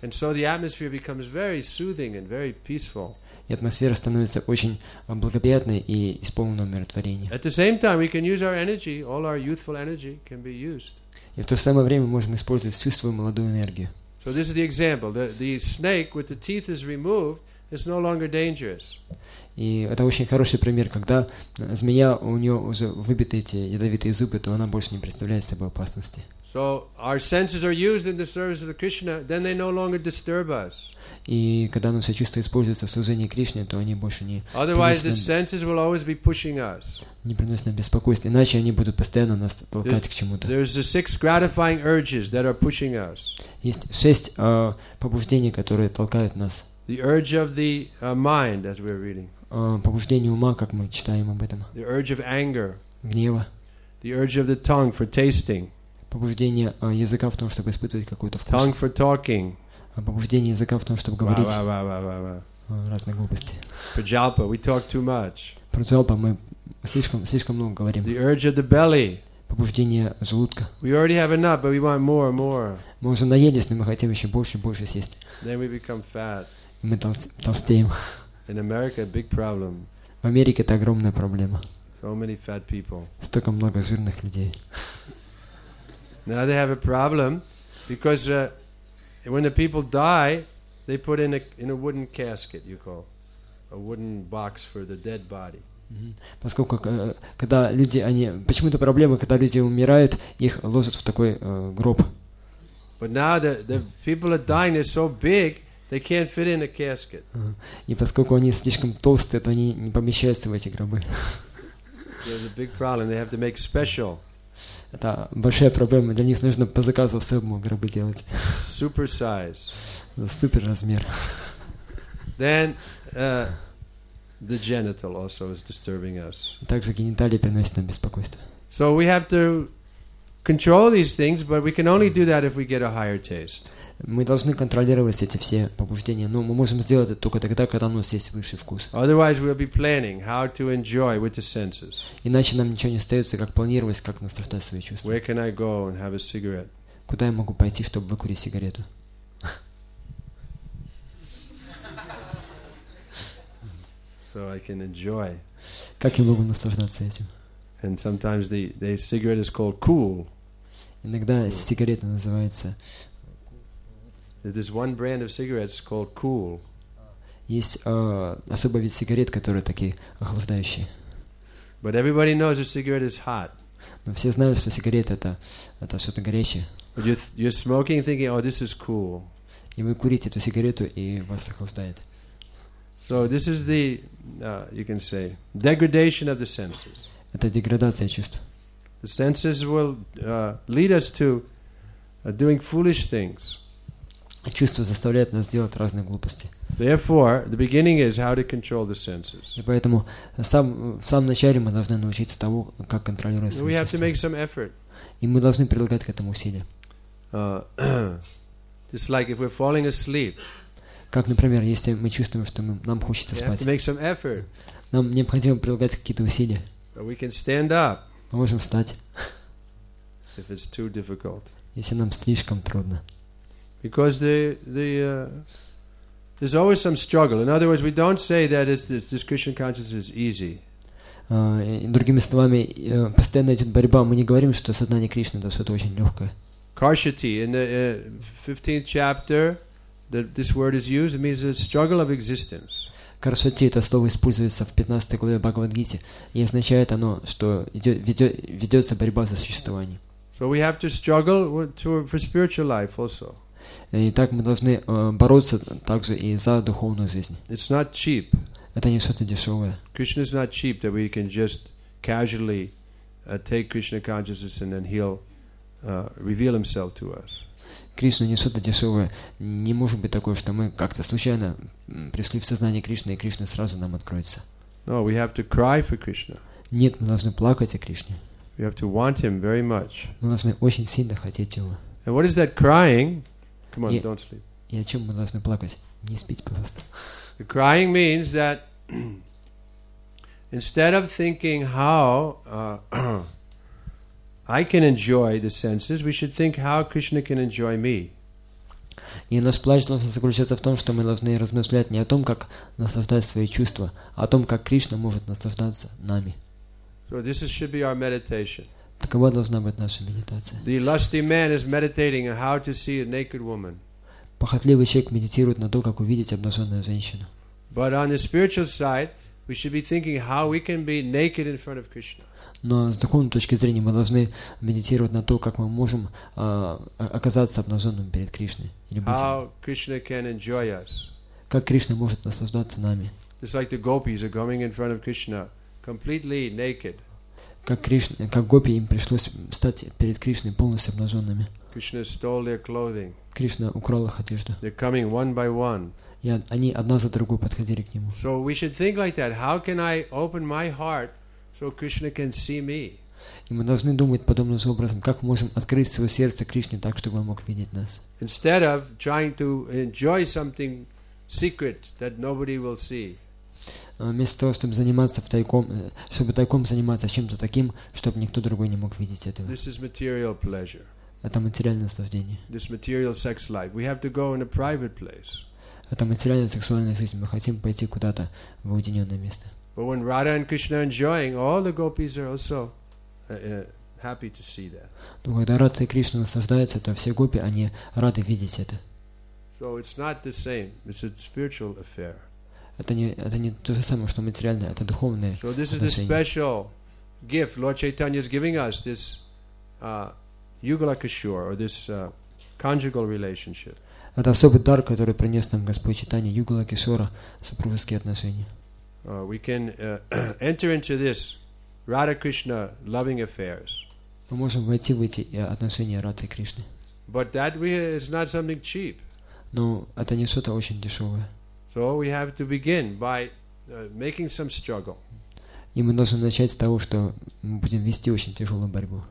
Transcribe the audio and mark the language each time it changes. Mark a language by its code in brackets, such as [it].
[en] And so the atmosphere becomes very soothing and very peaceful. [ru] И атмосфера становится очень благоприятной и исполненной умиротворения. [en] At the same time, we can use our energy, all our youthful energy can be used. [ru] И в то же самое время мы можем использовать всю свою молодую энергию. [en] So this is the example. The snake with the teeth is removed. It's no longer dangerous. [ru] И это очень хороший пример, когда змея, у нее уже выбиты эти ядовитые зубы, то она больше не представляет собой опасности. [en] So our senses are used in the service of the Krishna, then they no longer disturb us. [ru] И когда наши чувства используются в служении Кришне, то они больше не. [en] Otherwise, the senses will always be pushing us. [ru] Не приносят нам беспокойства, иначе они будут постоянно нас толкать к чему-то. [en] There's the six gratifying urges that are pushing us. [ru] Есть шесть побуждений, которые толкают нас. [en] The urge of the mind, as we're reading. [ru] Побуждение ума, как мы читаем об этом. [en] The urge of anger. [ru] Гнева. [en] The urge of the tongue for tasting. [ru] Побуждение языка в том, чтобы испытывать какой-то вкус. [en] Tongue for talking. [ru] Побуждение языка в том, чтобы говорить. Ва-ва-ва-ва-ва-ва. Разные глупости. [en] Праджалпа, we talk too much. [ru] Праджалпа, мы слишком много говорим. [en] The urge of the belly. [ru] Побуждение желудка. [en] We already have enough, but we want more and more. [ru] Мы уже наелись, но мы хотим еще больше и больше съесть. [en] Then we become fat. [ru] Мы толстеем. [en] In America, a big problem. [ru] В Америке это огромная проблема. [en] So many fat people. [ru] Столько много жирных людей. [en] Now they have a problem because when the people die, they put in a wooden casket, you call a wooden box for the dead body. [ru] Поскольку когда люди они почему-то проблема, когда люди умирают, их ложат в такой гроб. [en] But now the people are dying is so big. They can't fit in a casket. [ru] И поскольку они слишком толстые, то они не помещаются в эти гробы. [en] There's a big problem. They have to make special. [ru] Это большая проблема. Для них нужно по заказу особому гробы делать. [en] Super size. [ru] Супер размер. [en] Then the genital also is disturbing us. [ru] Также гениталии приносят нам беспокойство. [en] So we have to control these things, but we can only do that if we get a higher taste. [ru] Мы должны контролировать эти все побуждения, но мы можем сделать это только тогда, когда у нас есть высший вкус. [en] Otherwise, we'll be planning how to enjoy with the senses. [ru] Иначе нам ничего не остается, как планировать, как наслаждать свои чувства. [en] Where can I go and have a cigarette? [ru] Куда я могу пойти, чтобы выкурить сигарету? [en] So I can enjoy. [ru] Как я могу наслаждаться этим? [en] And sometimes the cigarette is called cool. [ru] Иногда сигарета называется. [en] There's one brand of cigarettes called Cool. [ru] Есть особый вид сигарет, которые такие охлаждающие. [en] But everybody knows a cigarette is hot. [ru] Но все знают, что сигарета это что-то горячее. [en] You're smoking, thinking, oh, this is cool. [ru] И вы курите эту сигарету и вас охлаждает. [en] So this is the you can say degradation of the senses. [ru] Это деградация чувств. [en] The senses will lead us to doing foolish things. [ru] Чувства заставляют нас делать разные глупости. [en] Therefore, the beginning is how to control the senses. [ru] И поэтому в самом начале мы должны научиться тому, как контролировать свои чувства. [en] We have to make some effort. [ru] И мы должны прилагать к этому усилия. [en] Just like if we're falling asleep. [ru] Как, например, если мы чувствуем, что нам хочется спать. [en] We have to make some effort. [ru] Нам необходимо прилагать какие-то усилия. [en] But we can stand up. [ru] Мы можем встать. [en] if it's too difficult. [ru] Если нам слишком трудно. [en] Because there's always some struggle. In other words, we don't say that this Christian consciousness is easy. [ru] Другими словами, постоянно идет борьба. Мы не говорим, что сознание Кришны это что-то очень легкое. [en] Karshati, in the 15th chapter, this word is used. It means a struggle of existence. [ru] Karshati, это слово используется в 15 главе Бхагавад-гиты, и означает оно, что ведется борьба за существование. [en] So we have to struggle for spiritual life also. [ru] И так мы должны бороться также и за духовную жизнь. [en] It's not cheap. [ru] Это не что-то дешевое. [en] Krishna is not cheap that we can just casually take Krishna consciousness and then heal. Reveal himself to us. [ru] Кришна не что-то дешевое. Не может быть такое, что мы как-то случайно пришли в сознание Кришны, и Кришна сразу нам откроется. [en] No, we have to cry for Krishna. [ru] Нет, мы должны плакать о Кришне. [en] We have to want him very much. [ru] Мы должны очень сильно хотеть его. [en] And what is that crying? Come on, don't sleep. [ru] И о чем мы должны плакать? Не спите, пожалуйста. [en] The crying means that instead of thinking how I can enjoy the senses. We should think how Krishna can enjoy me. [ru] И наш плач должен заключаться в том, что мы должны размышлять не о том, как наслаждать свои чувства, а о том, как Кришна может наслаждаться нами. [en] So this should be our meditation. [ru] Такова должна быть наша медитация. [en] The lusty man is meditating on how to see a naked woman. [ru] Похотливый человек медитирует на то, как увидеть обнаженную женщину. [en] But on the spiritual side, we should be thinking how we can be naked in front of Krishna. [ru] Но с духовной точки зрения мы должны медитировать на то, как мы можем оказаться обнаженным перед Кришной. [en] How Krishna can enjoy us. [ru] Как Кришна может наслаждаться нами. [en] It's like the gopis are going in front of Krishna completely naked. [ru] Как гопи им пришлось стать перед Кришной полностью обнаженными. [en] Krishna stole their clothing. [ru] Кришна украл их одежду. [en] They're coming one by one. [ru] И они одна за другой подходили к нему. [en] So we should think like that. How can I open my heart? So Krishna can see me. [ru] И мы должны думать подобным образом, как мы можем открыть свое сердце Кришне так, чтобы он мог видеть нас. [en] Instead of trying to enjoy something secret that nobody will see. [ru] Вместо того, чтобы заниматься тайком, чтобы тайком заниматься чем-то таким, чтобы никто другой не мог видеть этого. [en] This is material pleasure. [ru] Это материальное наслаждение. [en] This material sex life. We have to go in a private place. [ru] Это материальная сексуальная жизнь. Мы хотим пойти куда-то в уединенное место. [en] But when Radha and Krishna are enjoying, all the gopis are also happy to see that. [ru] Но когда Радха и Кришна наслаждаются, то все гопи они рады видеть это. [en] So it's not the same. It's a spiritual affair. [ru] Это не то же самое, что материальное. Это духовное. [en] So this is the special gift Lord Chaitanya is giving us, this yugala kishor, or this conjugal relationship. [ru] Это особый дар, который принес нам Господь Чайтанья, югала кишора, супружеские отношения. [en] We can enter into this Radha Krishna loving affairs. [ru] Мы можем войти в эти отношения Радхи и Кришны. [en] But that is not something cheap. [ru] Но это не что-то очень дешевое. [en] So we have to begin by making some struggle. [ru] И мы должны начать с того, что мы будем вести очень тяжелую борьбу.